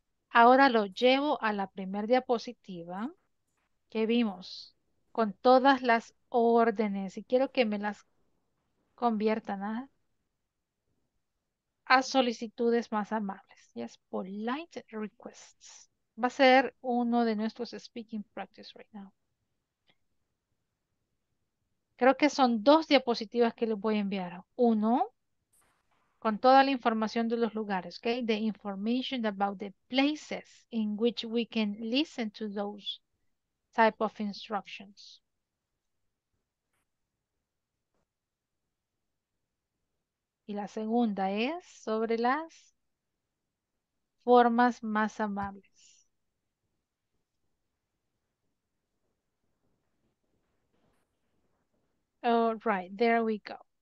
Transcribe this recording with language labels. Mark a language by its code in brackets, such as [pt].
[es] Ahora lo llevo a la primera diapositiva que vimos con todas las órdenes y quiero que me las conviertan a solicitudes más amables. [en] Yes, polite requests. [es] Va a ser uno de nuestros [en] speaking practice right now. [es] Creo que son dos diapositivas que les voy a enviar. Uno con toda la información de los lugares, okay? [en] The information about the places in which we can listen to those type of instructions. [es] Y la segunda es sobre las formas más amables. [en] All right, there we go.